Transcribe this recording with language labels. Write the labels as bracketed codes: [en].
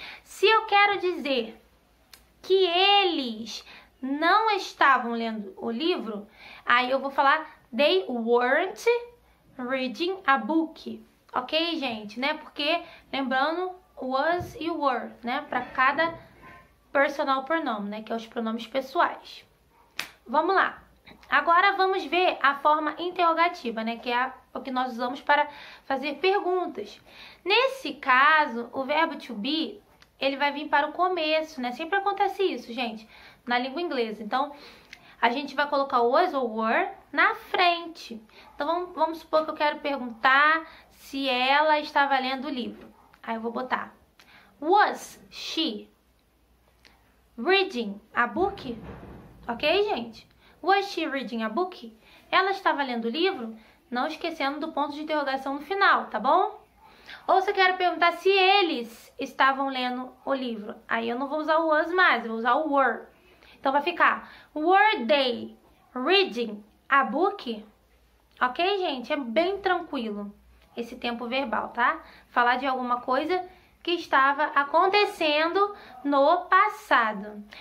[pt] Se eu quero dizer que eles não estavam lendo o livro, aí eu vou falar [en] they weren't reading a book. [pt] Ok, gente? Né? Porque, lembrando, was e were, né? Para cada personal pronome, né? Que é os pronomes pessoais. Vamos lá. Agora vamos ver a forma interrogativa, né? Que é o que nós usamos para fazer perguntas. Nesse caso, o verbo to be, ele vai vir para o começo, né? Sempre acontece isso, gente, na língua inglesa. Então, a gente vai colocar was ou were na frente. Então, vamos supor que eu quero perguntar se ela estava lendo o livro. Aí eu vou botar, [en] was she reading a book? [pt] Ok, gente? [en] Was she reading a book? [pt] Ela estava lendo o livro? Não esquecendo do ponto de interrogação no final, tá bom? Ou se eu quero perguntar se eles estavam lendo o livro. Aí eu não vou usar o was mais, eu vou usar o were. Então vai ficar, [en] were they reading a book? [pt] Ok, gente? É bem tranquilo esse tempo verbal, tá? Falar de alguma coisa que estava acontecendo no passado.